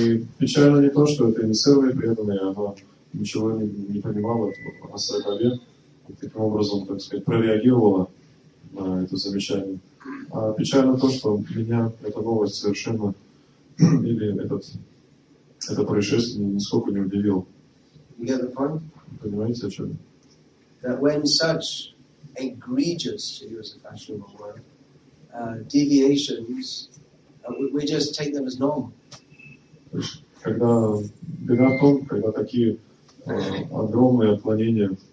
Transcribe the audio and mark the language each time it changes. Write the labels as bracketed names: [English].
[Russian] И печально не то, что это инициировали преданные, но ничего не понимала о Сайбабе, и таким образом, так сказать, прореагировала на это замечание. А печально то, что меня эта новость совершенно, или это происшествие нисколько не удивило. [English] You get the point? [Russian] Понимаете, о чем? [English] That when such egregious, to use a fashionable word, deviations, we just take them as normal. [Russian] То есть, когда беда в том, когда такие огромные отклонения.